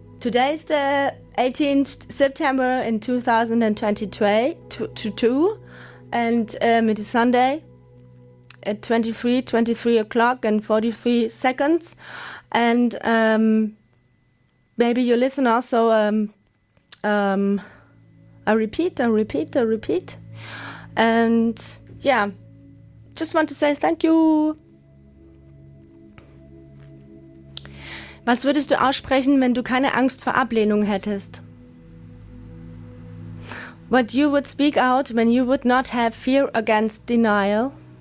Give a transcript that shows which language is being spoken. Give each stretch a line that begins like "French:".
English: Today is the 18th September in 2022, and it is Sunday at 23 o'clock and 43 seconds. And maybe you listen also. I repeat. And yeah, just want to say thank you.
German: Was würdest du aussprechen, wenn du keine Angst vor Ablehnung hättest?
English: What you would speak out when you would not have fear against denial?